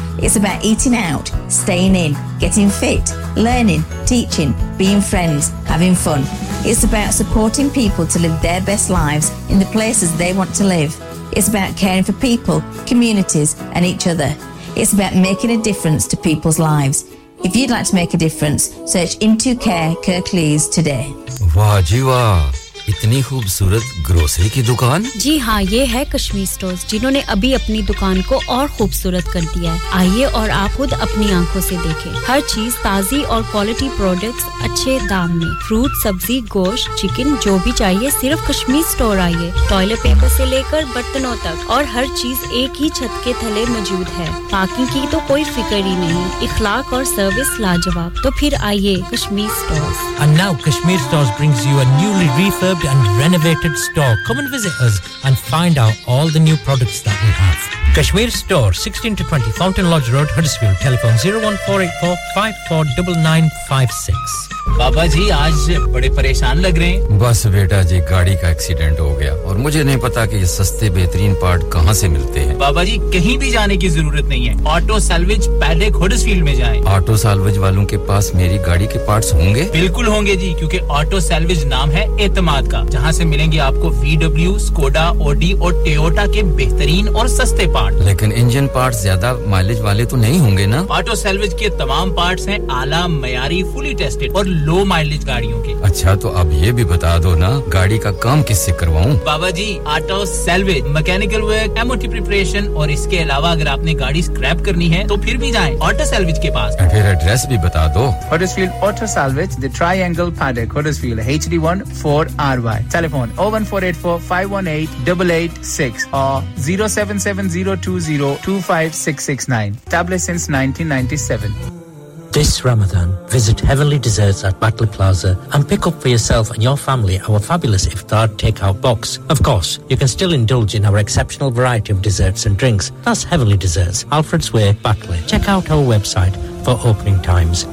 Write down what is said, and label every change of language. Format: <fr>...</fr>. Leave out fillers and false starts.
<en>It's about eating out, staying in, getting fit, learning, teaching, being friends, having fun. It's about supporting people to live their best lives in the places they want to live. It's about caring for people, communities, and each other. It's about making a difference to people's lives. If you'd like to make a difference, search Into Care Kirklees today.</en> <hi>वाह जी वाह इतनी खूबसूरत grocery की दुकान जी हां ये है Kashmir stores जिन्होंने अभी अपनी दुकान को और खूबसूरत कर दिया है आइए और आप खुद अपनी आंखों से देखें हर चीज ताजी और क्वालिटी प्रोडक्ट्स अच्छे दाम में फ्रूट सब्जी गोश्त चिकन जो भी चाहिए सिर्फ कश्मीर स्टोर आइए टॉयलेट पेपर से लेकर बर्तनों तक और हर चीज एक ही छत के तले मौजूद है पार्किंग की तो कोई फिक्र ही नहीं इखलाक और सर्विस लाजवाब तो फिर आइए Kashmir stores</hi> <en>And now Kashmir Stores brings you a newly refurbed and renovated store. Come and visit us and find out all the new products that we have. Kashmir Store, 16 to 20 Fountain Lodge Road, Huddersfield. Telephone 01484 549956.</en> <hi>Baba ji, aaj bade pareshan lag rahe hain. Bas beta ji, gaadi ka accident ho gaya aur mujhe nahi pata ki ye saste behtareen part kahan se milte hain. Baba ji, kahin bhi jaane ki zarurat nahi hai. Auto Salvage Paddock Huddersfield mein jaye. Auto Salvage walon ke paas meri gaadi ke parts honge? Bilkul honge ji, kyunki Auto Salvage naam hai aitmaad ka. Jahan se milenge aapko VW, Skoda, Audi aur Toyota ke behtareen aur saste parts. Lekin engine parts zyada mileage wale to nahi honge na? Auto Salvage ke tamam parts hain aala mayari fully tested aur low mileage गाड़ियों के अच्छा तो अब ये भी बता दो ना गाड़ी का काम किससे करवाऊं बाबा जी auto salvage mechanical work MOT preparation और इसके अलावा अगर आपने गाड़ी स्क्रैप करनी है तो फिर भी जाएं ऑटो सेल्वेज के पास फिर एड्रेस भी बता दो Huddersfield auto salvage the triangle paddock Huddersfield HD14RY telephone 01484518886 और 07702025669 tablet since 1997</hi> <en>This Ramadan, visit Heavenly Desserts at Battle Plaza and pick up for yourself and your family our fabulous iftar takeout box. Of course, you can still indulge in our exceptional variety of desserts and drinks. That's Heavenly Desserts, Alfred's Way, Batley. Check out our website for opening times.</en>